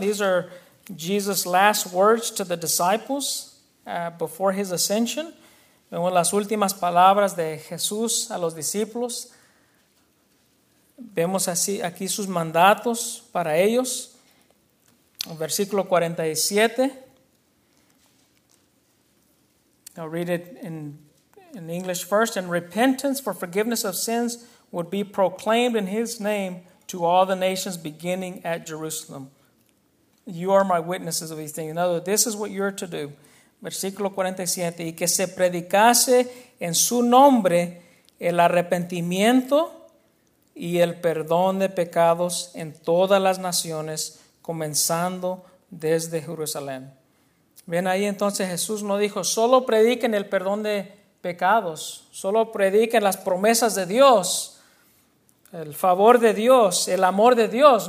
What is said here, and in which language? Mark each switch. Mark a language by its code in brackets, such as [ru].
[en] These are Jesus' last words to the disciples before his ascension. [es] Vemos las últimas palabras de Jesús a los discípulos. Vemos así aquí sus mandatos para ellos. Versículo 47. [en] I'll read it in English first. And repentance for forgiveness of sins would be proclaimed in his name to all the nations beginning at Jerusalem. You are my witnesses of these things. In other words, this is what you're to do. [es] Versículo 47. Y que se predicase en su nombre el arrepentimiento y el perdón de pecados en todas las naciones, comenzando desde Jerusalén. Ven ahí entonces, Jesús no dijo, solo prediquen el perdón de pecados, solo prediquen las promesas de Dios, el favor de Dios, el amor de Dios.